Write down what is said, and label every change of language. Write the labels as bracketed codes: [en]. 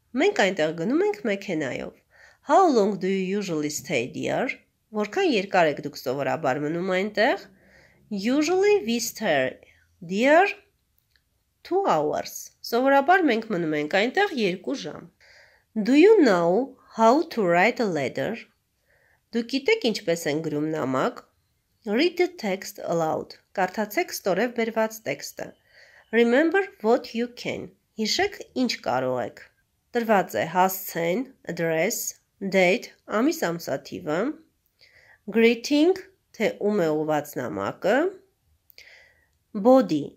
[hy] Մենք այնտեղ գնում ենք մեքենայով. [en] How long do you usually stay there? [hy] Որքան երկար եք դուք սովորաբար մնում այնտեղ? [en] Usually we stay there 2 hours. [hy] Սովորաբար մենք մնում ենք այնտեղ 2 ժամ. [en] Do you know how to write a letter? [hy] Դուք գիտեք ինչպես են գրում նամակ? [en] Read the text aloud. [hy] Կարդացեք ստորև բերված տեքստը. [en] Remember what you can. [hy] Հիշեք ինչ կարող եք. Տրված է հասցեն, address, date, ամիս-ամսաթիվը, greeting, թե ում է ուղված նամակը, body.